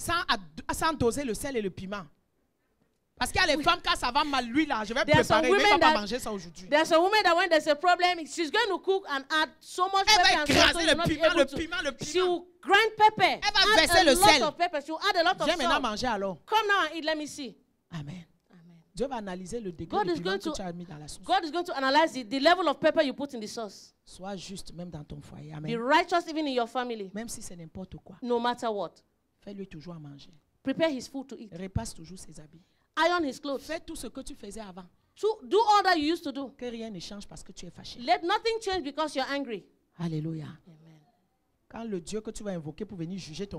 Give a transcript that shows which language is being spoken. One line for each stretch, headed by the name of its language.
French: Sans doser le sel et le piment. Parce qu'il y a les femmes quand ça va mal, lui là, je vais there préparer, mais elle va pas manger ça aujourd'hui.
English: There's a woman that when there's a problem, she's going to cook and add so much
French: elle
English: pepper and salt.
French: Elle va écraser le piment.
English: She will grind pepper.
French: Elle va verser le sel.
English: Add a lot of pepper. She will add a lot of salt.
French: Viens maintenant manger alors.
English: Come now and eat. Let me see. Amen.
French: Dieu va analyser le degré de piment que tu as mis dans la sauce.
English: God is going to analyze the level of pepper you put in the sauce.
French: Sois juste même dans ton foyer. Amen.
English: Be righteous even in your family.
French: Même si c'est n'importe quoi.
English: No matter what.
French: Fais-lui toujours à manger.
English: Prepare his food to eat.
French: Repasse toujours ses habits.
English: Iron his clothes.
French: Fais tout ce que tu faisais avant.
English: To do all that you used to do.
French: Que rien ne change parce que tu es fâché.
English: Let nothing change because you're angry. Alléluia. Amen.
French: Quand le Dieu que tu vas invoquer pour venir juger ton